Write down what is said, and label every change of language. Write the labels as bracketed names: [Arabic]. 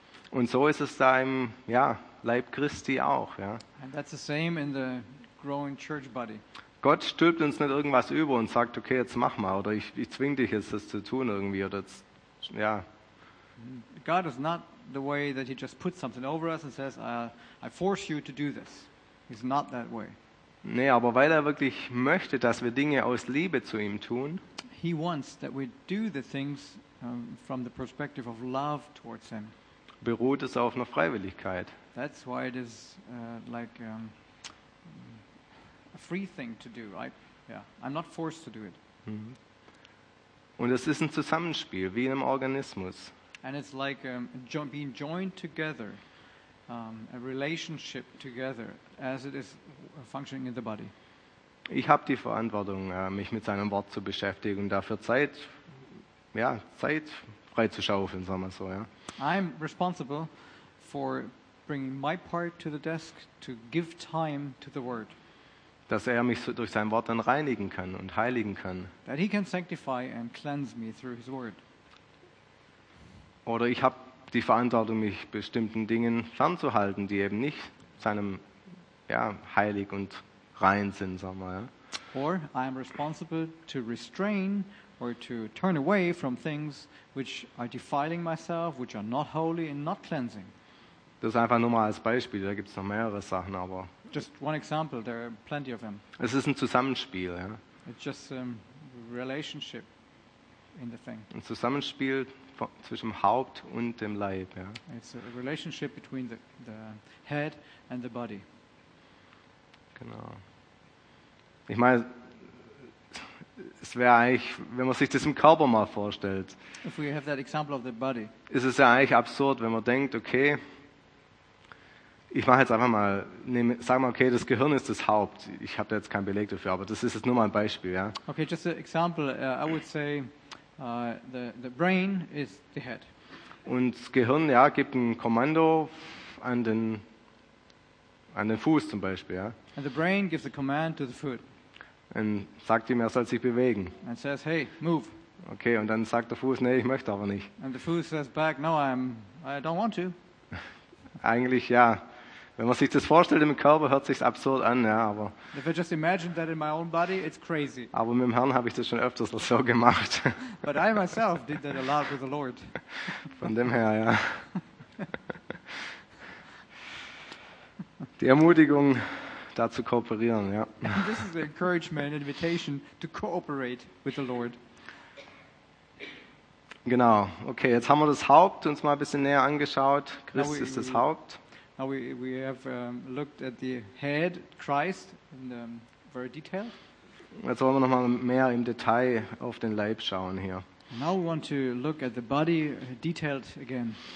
[German] Und so ist es da im, ja, Leib Christi auch, ja. [English] And that's the same in the growing church body. [German] Gott stülpt uns nicht irgendwas über und sagt, okay, jetzt mach mal, oder ich zwing dich jetzt das zu tun irgendwie, oder jetzt, ja. [English] God is not the way that he just puts something over us and says, I force you to do this. He's not that way. [German] Nee, aber weil er wirklich möchte, dass wir Dinge aus Liebe zu ihm tun. [English] He wants that we do the things from the perspective of love towards him. [German] Beruht es auf einer Freiwilligkeit. [English] That's why it is like a free thing to do. I'm not forced to do it. [German] Und es ist ein Zusammenspiel wie in einem Organismus. [English] And it's like being joined together, a relationship together, as it is functioning in the body. [German] Ich habe die Verantwortung, mich mit seinem Wort zu beschäftigen und dafür Zeit, ja, Zeit freizuschaufeln, sagen wir so. Ja. [English] I'm responsible for bringing my part to the desk to give time to the Word. [German] Dass er mich so durch sein Wort dann reinigen kann und heiligen kann. [English] That he can sanctify and cleanse me through his Word. [German] Oder ich habe die Verantwortung, mich bestimmten Dingen fernzuhalten, die eben nicht seinem, ja, heilig und rein sind, sagen wir. [English] Or I am responsible to restrain or to turn away from things which are defiling myself, which are not holy and not cleansing. [German] Das ist einfach nur mal als Beispiel, da gibt es noch mehrere Sachen, aber [English] just one example, there are plenty of them. [German] Es ist ein Zusammenspiel, ja. [English] It's just a relationship in the thing. [German] Ein Zusammenspiel zwischen Haupt und dem Leib, ja. [English] It's a relationship between the head and the body. [German] Genau. Ich meine, es wäre eigentlich, wenn man sich das im Körper mal vorstellt, [English] if we have that example of the body, [German] ist es ja eigentlich absurd, wenn man denkt, okay, ich mache jetzt einfach mal, sag mal, okay, das Gehirn ist das Haupt. Ich habe da jetzt keinen Beleg dafür, aber das ist jetzt nur mal ein Beispiel, ja. [English] Okay, just an example. I would say the brain is the head. [German] Und das Gehirn, ja, gibt ein Kommando an den Fuß zum Beispiel, ja. [English] And the brain gives a command to the foot. [German] Und sagt ihm, er soll sich bewegen. [English] And says, hey, move. [German] Okay, und dann sagt der Fuß, nee, ich möchte aber nicht. [English] And the foot says back, no, I don't want to. [German] Eigentlich, ja. Wenn man sich das vorstellt im Körper, hört sich's absurd an, ja, aber. [English] If I just imagine that in my own body, it's crazy. [German] Aber mit dem Herrn habe ich das schon öfters so gemacht. [English] But I myself did that a lot with the Lord. [German] Von dem her, ja. Die Ermutigung, da zu kooperieren, ja. [English] And this is an encouragement, an invitation to cooperate with the Lord. [German] Genau. Okay, jetzt haben wir das Haupt uns mal ein bisschen näher angeschaut. Christ ist das Haupt. [English] Now we have looked at the head, Christ, in very detail. [German] Jetzt wollen wir noch mal mehr im Detail auf den Leib schauen hier. [English] Now we want to look at the body detailed again.